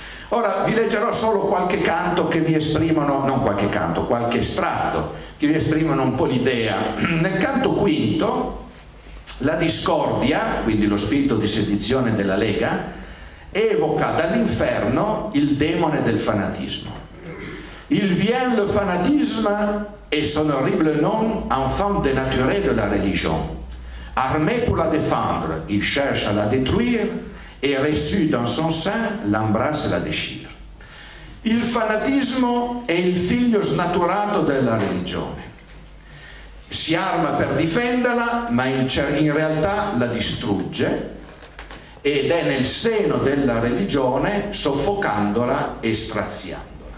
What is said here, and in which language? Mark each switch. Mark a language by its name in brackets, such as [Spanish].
[Italian] Ora vi leggerò solo qualche canto che vi esprimono, non qualche canto, qualche estratto, che vi esprimono un po' l'idea. Nel canto quinto, la discordia, quindi lo spirito di sedizione della Lega, evoca dall'inferno il demone del fanatismo. [French] Il vient le fanatisme et son horrible nom enfant de nature de la religion. Armé pour la défendre, il cherche à la détruire et reçu dans son sein l'embrasse et la déchire. [Italian] Il fanatismo è il figlio snaturato della religione. Si arma per difenderla, ma in realtà la distrugge, ed è nel seno della religione soffocandola e straziandola.